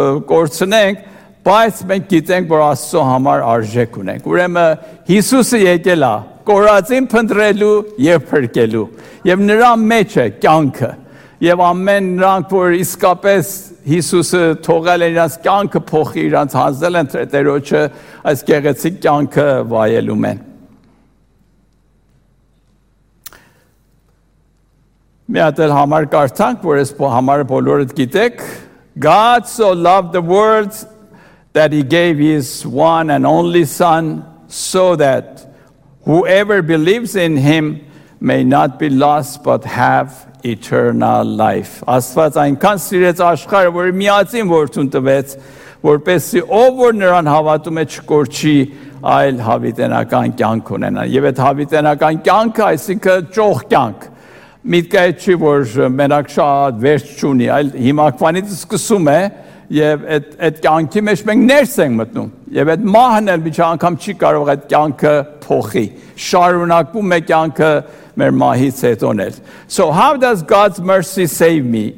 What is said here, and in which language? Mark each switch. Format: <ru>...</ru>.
<hy>կորցնենք, բայց մենք գիտենք, որ Աստծո համար արժեք ունենք։ Ուրեմն Հիսուսը եկել է կորածին փնտրելու եւ փրկելու, եւ նրա մեջ է կյանքը, եւ ամեն նրանք, որ իսկապես Հիսուսը թողել են իրանց կյանքը փոխի, իրանց հանձնել են Տերոջը, այս գեղեցիկ կյանքը վայելում են։ Մի հատ էլ համար կարդանք, որ այս համարը բոլորդ գիտեք.</hy> <en>God so loved the world that he gave his one and only son so that whoever believes in him may not be lost but have eternal life.</en> <hy>Աստված այնքան սիրեց աշխարհը, որ միածին որդուն տվեց, որպեսզի ով որ նրան հավատում է չկորչի, այլ հավիտենական կյանք ունենա։ Եվ այդ հավիտենական կյանքը, այսինքն ճոխ կյանք, միտքը չի, որ մենակ շատ վերջ չունի, այլ հիմակվանից սկսում է, եւ այդ կյանքի մեջ մենք ներս ենք մտնում, եւ այդ մահն էլ միջի անգամ չի կարող այդ կյանքը փոխի, շարունակվում է կյանքը մեր մահից հետո էլ։</hy> <en>So how does God's mercy save me?</en>